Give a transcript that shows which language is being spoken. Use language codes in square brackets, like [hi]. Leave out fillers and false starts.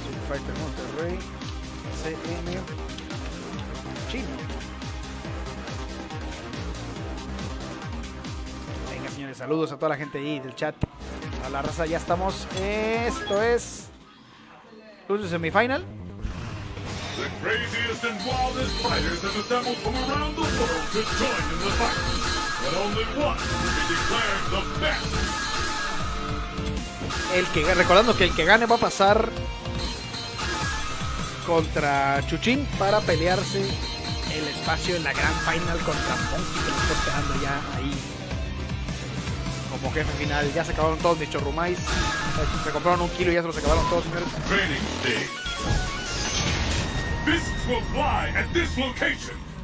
[es] Fighter Monterrey, CM, Chino. Venga, señores, saludos a toda la gente ahí del chat. A la raza, ya estamos. Esto es Luz de Semifinal. [en] The craziest and wildest fighters have assembled from around the world to join in the fight. But only one will be declared the best. [es] El que, recordando que el que gane va a pasar contra Chuchín para pelearse el espacio en la gran final contra Monkey, que nos está esperando ya ahí como jefe final. Ya se acabaron todos mis chorrumais, se compraron un kilo y ya se los acabaron todos, señores. [en] Training day. Fists will fly at this location.